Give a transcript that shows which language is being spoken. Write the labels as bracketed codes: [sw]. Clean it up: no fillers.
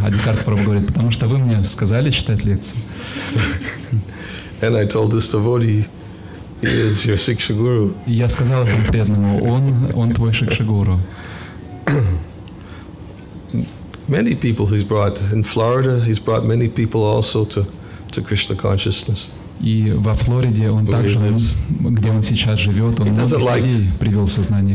[ru] Адикарта Прабху говорит: "Потому что вы мне сказали читать лекцию." [en] And I told this devotee, "He is your Shiksha Guru." [ru] Я сказал этому преданному: "Он твой Шикша Гуру." [en] Many people he's brought in Florida. He's brought many people also to Krishna consciousness. [ru] И во Флориде он также, где он сейчас живет, он многих людей привел в сознание